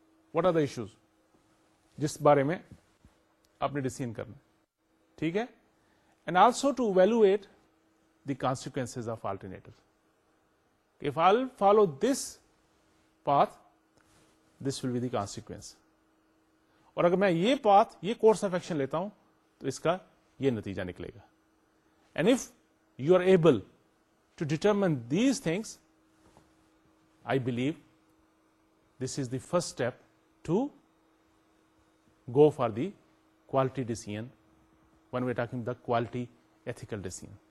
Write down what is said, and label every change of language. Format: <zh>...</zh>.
<en>What are the issues</en> <ur>jis bare mein aapne decision karna, theek hai,</ur> <en>and also to evaluate the consequences of alternatives. If I'll follow this path, this will be the consequence.</en> <ur>اور اگر میں یہ path, یہ course of action لیتا ہوں تو اس کا یہ نتیجہ نکلے گا.</ur> <en>And if you are able to determine these things, I believe this is the first step to go for the quality decision when we are talking the quality ethical decision.</en>